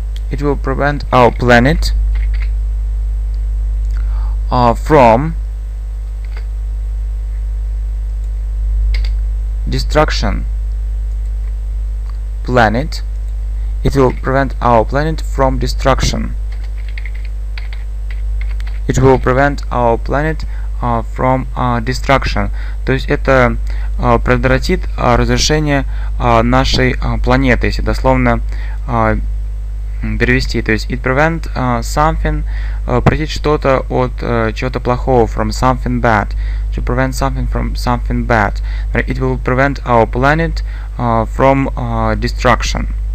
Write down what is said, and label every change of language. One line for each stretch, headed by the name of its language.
English: It will prevent our planet from destruction. Planet. It will prevent our planet from destruction. It will prevent our planet from destruction.
Russian: То есть это предотвратит разрушение нашей планеты, если дословно перевести. То есть
English: it prevent something,
Russian: предотвратит что-то от чего-то плохого,
English: from something bad. To prevent something from something bad. It will prevent our planet from destruction.